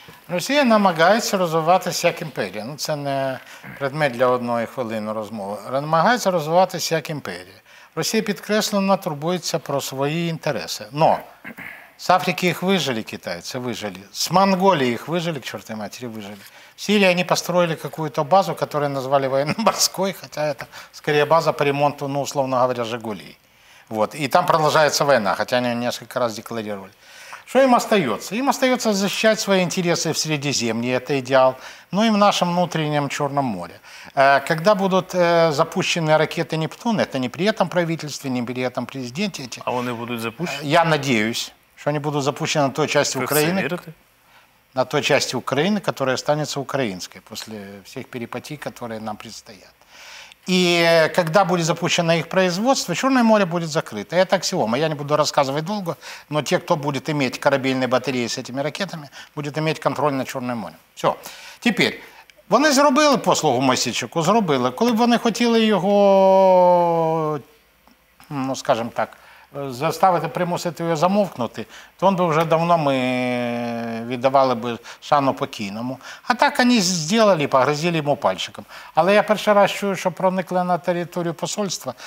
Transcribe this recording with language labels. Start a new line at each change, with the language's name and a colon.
Ukrainian: Росія намагається розвиватися як імперія. Ну, це не предмет для одної хвилини розмови. Намагається розвиватися як імперія. Росія підкреслено турбується про свої інтереси. Но з Африки їх вижили, китайці вижили. З Монголії їх вижили, чорти матері, вижили.
Russian: В Сирии они построили какую-то базу, которую назвали военно-морской, хотя это скорее база по ремонту, ну, условно говоря, «Жигулей». Вот. И там продолжается война, хотя они несколько раз декларировали. Что им остается? Им остается защищать свои интересы в Средиземье, это идеал, ну и в нашем внутреннем Черном море. Когда будут запущены ракеты «Нептун», это не при этом правительстве, не при этом президенте. Эти. А они будут запущены? Я надеюсь, что они будут запущены на той части Украины. На той части Украины, которая останется украинской после всех перипетий, которые нам предстоят. И когда будет запущено их производство, Черное море будет закрыто. Это аксиома. Я не буду рассказывать долго, но те, кто будет иметь корабельные батареи с этими ракетами, будет иметь контроль над Черным морем. Все. Теперь, они сделали послугу Мосійчуку, сделали. Когда бы они хотели его, ну, скажем так,
Ukrainian: заставити, примусити його замовкнути, то він би вже давно ми віддавали би шану покійному. А так вони зробили, погрозили йому пальчиком. Але я перший раз чую, що проникли на територію посольства.